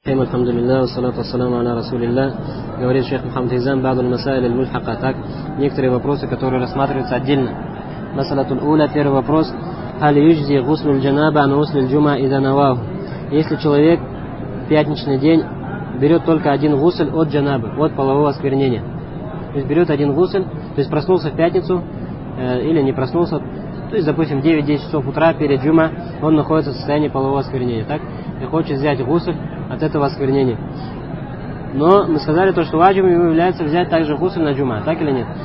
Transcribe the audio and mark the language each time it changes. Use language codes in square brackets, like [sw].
[ar] الحمد لله والصلاة والسلام على رسول الله. [ru] Говорит шейх Мухаммад Хизам, [ar] بعض المسائل الملحقة. [ru] Так, некоторые вопросы, которые рассматриваются отдельно. [ar] مسألة الأولى, [ru] первый вопрос. [ar] هل يجزي غسل الجنابة عن غسل الجمعة إذا نواه? [ru] Если человек в пятничный день берет только один гусль от джанабы, от полового осквернения. То есть берет один гусль, то есть проснулся в пятницу или не проснулся. То есть, допустим, 9-10 часов утра перед джума он находится в состоянии полового осквернения. Так, и хочет взять гусль от этого осквернения. Но мы сказали то, что ваджибом является взять также гусль на джума, так или нет?